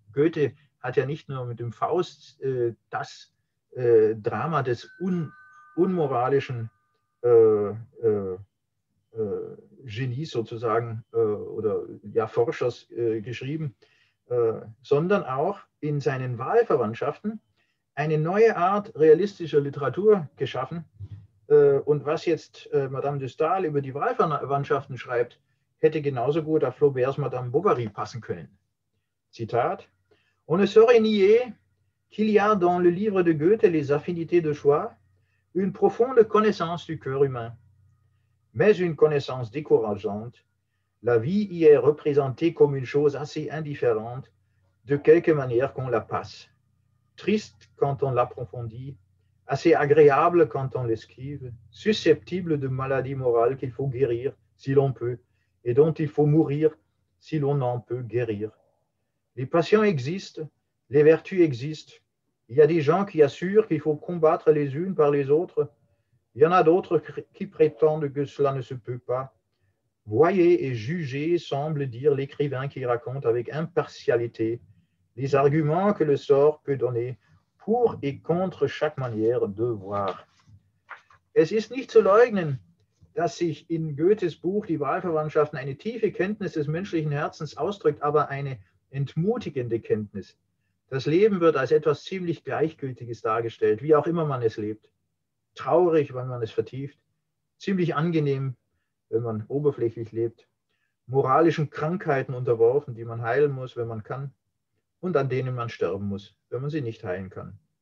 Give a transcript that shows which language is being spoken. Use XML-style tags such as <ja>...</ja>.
<de>Goethe hat ja nicht nur mit dem Faust das Drama des unmoralischen Genies sozusagen oder ja Forschers geschrieben, sondern auch in seinen Wahlverwandtschaften eine neue Art realistischer Literatur geschaffen. Und was jetzt Madame de Stael über die Wahlverwandtschaften schreibt, hätte genauso gut auf Flauberts Madame Bovary passen können.</de> <fr>Zitat: On ne saurait nier qu'il y a dans le livre de Goethe les affinités de choix une profonde connaissance du cœur humain. Mais une connaissance décourageante, la vie y est représentée comme une chose assez indifférente, de quelque manière qu'on la passe. Triste quand on l'approfondit, assez agréable quand on l'esquive, susceptible de maladies morales qu'il faut guérir si l'on peut, et dont il faut mourir si l'on n'en peut guérir. Les passions existent, les vertus existent, il y a des gens qui assurent qu'il faut combattre les unes par les autres. Il y en a d'autres qui prétendent que cela ne se peut pas. Voyez et jugez, semble dire l'écrivain qui raconte avec impartialité les arguments que le sort peut donner pour et contre chaque manière de voir.</fr> <de>Es ist nicht zu leugnen, dass sich in Goethes Buch die Wahlverwandtschaften eine tiefe Kenntnis des menschlichen Herzens ausdrückt, aber eine entmutigende Kenntnis. Das Leben wird als etwas ziemlich Gleichgültiges dargestellt, wie auch immer man es lebt. Traurig, wenn man es vertieft, ziemlich angenehm, wenn man oberflächlich lebt, moralischen Krankheiten unterworfen, die man heilen muss, wenn man kann, und an denen man sterben muss, wenn man sie nicht heilen kann.</de>